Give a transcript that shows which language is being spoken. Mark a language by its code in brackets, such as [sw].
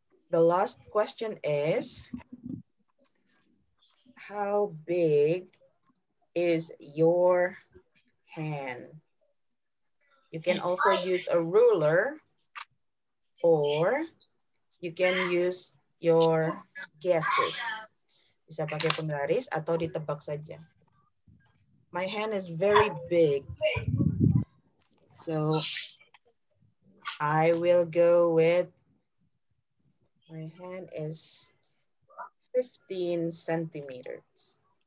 [en] The last question is, how big is your hand? You can also use a ruler, or you can use your guesses. [id] Bisa pakai penggaris atau ditebak saja. [en] My hand is very big. So I will go with, my hand is 15 centimeters.